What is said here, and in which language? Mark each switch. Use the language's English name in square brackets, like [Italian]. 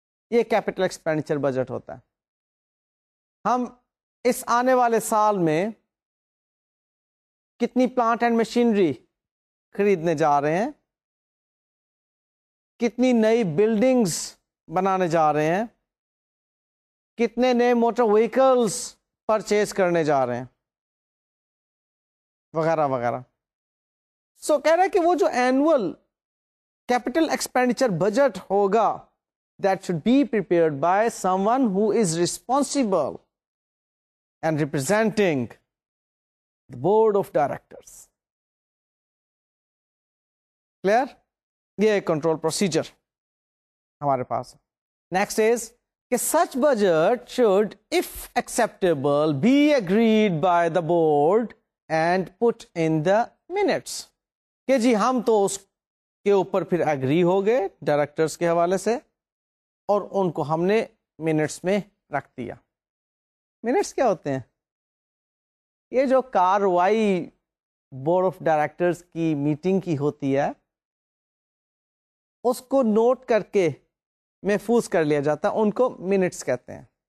[Urdu] یہ capital expenditure budget ہوتا ہے. ہم اس آنے والے سال میں کتنی plant and machinery خریدنے جا رہے ہیں, کتنی نئی buildings بنانے جا رہے ہیں, کتنے نئے motor vehicles purchase کرنے جا رہے ہیں, وغیرہ وغیرہ. سو کہہ رہے کہ وہ جو [English] annual capital expenditure budget ہوگا, that should be prepared by someone who is responsible and representing the board of directors. Clear? [Urdu] یہ control procedure ہمارے پاس. [English] Next is کہ such budget should, if acceptable, be agreed by the board and put in the minutes. [Urdu] کہ جی ہم تو اس کے اوپر پھر agree ہو گئے ڈائریکٹرز کے حوالے سے اور ان کو ہم نے منٹس میں رکھ دیا. منٹس کیا ہوتے ہیں؟ یہ جو کاروائی بورڈ آف ڈائریکٹرز کی میٹنگ کی ہوتی ہے اس کو نوٹ کر کے محفوظ کر لیا جاتا ہے, ان کو منٹس کہتے ہیں.